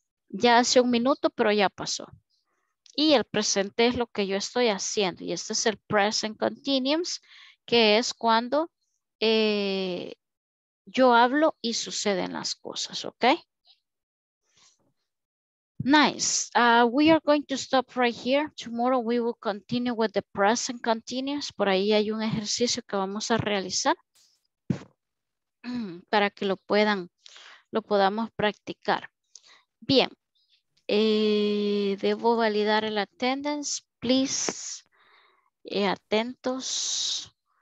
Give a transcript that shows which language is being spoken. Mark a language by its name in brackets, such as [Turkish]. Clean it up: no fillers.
[Spanish] Ya hace un minuto, pero ya pasó. Y el presente es lo que yo estoy haciendo. Y este es el present continuous, que es cuando yo hablo y suceden las cosas, ¿ok? [English] Nice. We are going to stop right here. Tomorrow we will continue with the present continuous. [Spanish] Por ahí hay un ejercicio que vamos a realizar para que lo podamos practicar. Bien. Debo validar el attendance, please. Atentos.